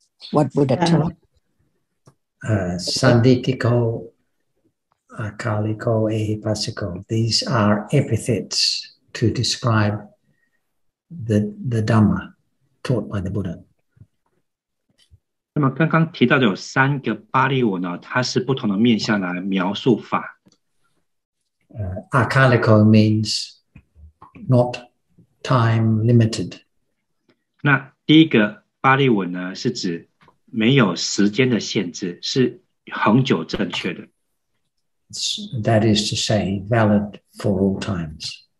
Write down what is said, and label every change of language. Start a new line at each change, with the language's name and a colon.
English: What would the term?
Pali: Santitiko. Akaliko, Ehipasiko.
English: These are epithets to describe the Dhamma taught by the Buddha.
Chinese: 那么刚刚提到的有三个巴利文呢，它是不同的面向来描述法。
English: Akaliko means not time limited.
Chinese: 那第一个巴利文呢，是指没有时间的限制，是恒久正确的。
English: That is to say, valid for all times.